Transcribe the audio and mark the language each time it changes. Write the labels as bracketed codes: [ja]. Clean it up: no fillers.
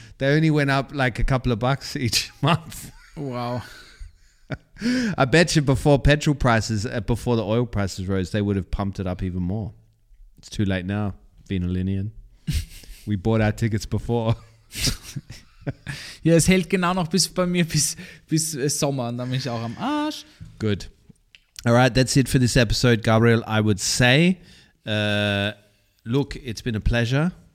[en] They only went up like a couple of bucks each month. Wow. I bet you before petrol prices, before the oil prices rose, they would have pumped it up even more. It's too late now, Wiener Linien. We bought our tickets before. [de] Ja, es hält genau noch bis bei mir bis Sommer. Und dann bin ich auch am Arsch. [en] Good. All right, that's it for this episode, Gabriel. I would say, look, it's been a pleasure.